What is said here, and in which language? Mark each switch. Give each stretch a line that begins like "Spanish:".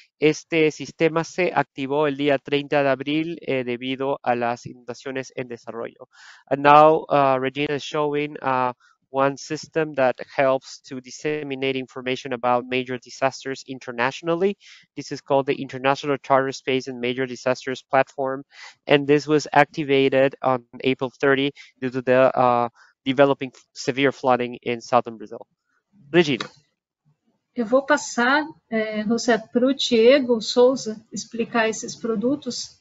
Spanish: Este sistema se activó el día 30 de abril debido a las inundaciones en desarrollo.
English: And now Regina is showing one system that helps to disseminate information about major disasters internationally. This is called the International Charter Space and Major Disasters Platform. And this was activated on April 30 due to the developing severe flooding in southern Brazil. Regina.
Portuguese: Eu vou passar, José, para o Diego Souza explicar esses produtos.